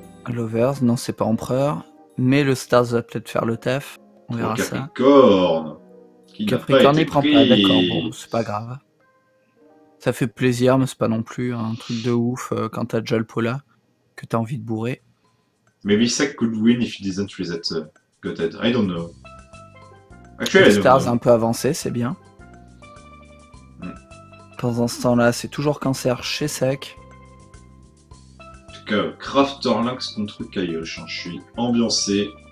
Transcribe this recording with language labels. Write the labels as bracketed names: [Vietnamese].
[French] Lovers, non, c'est pas Empereur. Mais le Stars va peut-être faire le taf. On verra ça. Capricorne. Capricorne, il prend pas. D'accord, bon, c'est pas grave. Ça fait plaisir, mais c'est pas non plus un truc de ouf quand t'as déjà le Pola, que t'as envie de bourrer. [English] Maybe Sac could win if he doesn't play that gutted. I don't know. [French] Actually, le Stars un peu avancé, c'est bien. Pendant ce temps-là, c'est toujours cancer chez Sac. Crafter Lynx contre Kayosh, hein. Je suis ambiancé.